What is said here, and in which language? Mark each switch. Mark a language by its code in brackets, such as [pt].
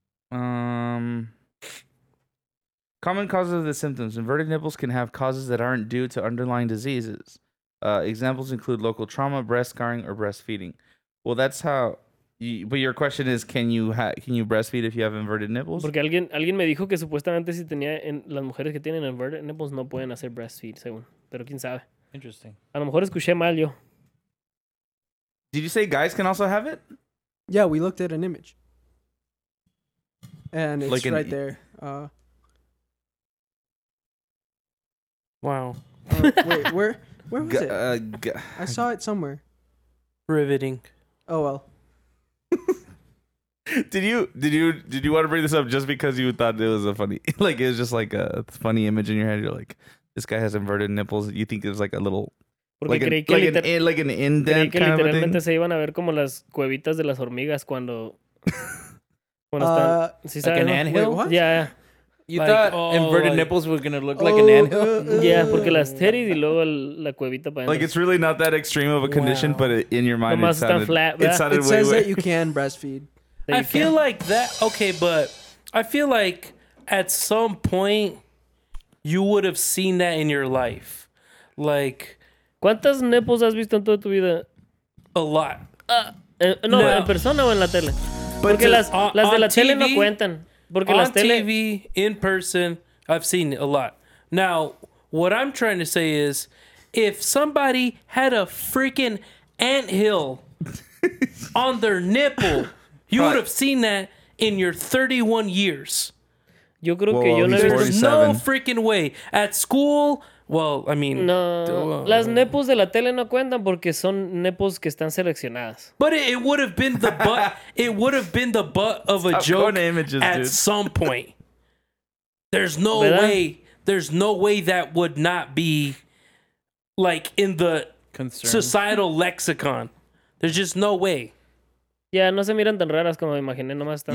[en] Common causes of the symptoms. Inverted nipples can have causes that aren't due to underlying diseases. Examples include local trauma, breast scarring, or breastfeeding. Well, that's how... But your question is, can you breastfeed if you have inverted nipples? [es] Porque alguien me dijo que supuestamente si tenía las mujeres que tienen inverted nipples no pueden hacer breastfeed, según. Pero quién sabe. [en] Interesting. [es] A lo mejor escuché mal yo. [en] Did you say guys can also have it? Yeah, we looked at an image. And it's like right there. Wow. Wait, where was it? I saw it somewhere. Riveting. Oh, well. Did you want to bring this up just because you thought it was a funny, like, it was just like a funny image in your head? You're like, this guy has inverted nipples. You think there's like a little, like an indent kind of thing? [es] Literalmente se iban a ver como las cuevitas de las hormigas cuando están, [en] like an anthill? Yeah. You thought inverted nipples were going to look like an anthill? [es] Yeah, porque las titties y luego la cuevita. [en] Like, it's really not that extreme of a condition, wow. But in your mind, it says that you can breastfeed. I feel like at some point, you would have seen that in your life. Like... [es] ¿Cuántas nipples has visto en toda tu vida? [en] A lot. [es] En persona o en la tele. Porque las de la tele no cuentan. [en] On TV, in person, I've seen a lot. Now, what I'm trying to say is, if somebody had a freaking anthill on their nipple, you would have seen that in your 31 years. [es] Yo creo que yo [en] no. There's no freaking way. At school, well, I mean... [es] No, las nipples de la tele no cuentan porque son nipples que están seleccionadas. [en] But it would have been the butt... It would have been the butt of a joke images, at dude. Some point. There's no [es] ¿verdad? [en] Way... There's no way that would not be, like, in the concerned. Societal lexicon. There's just no way. [es] Yeah, no se miran tan raras como me imaginé. Nomás están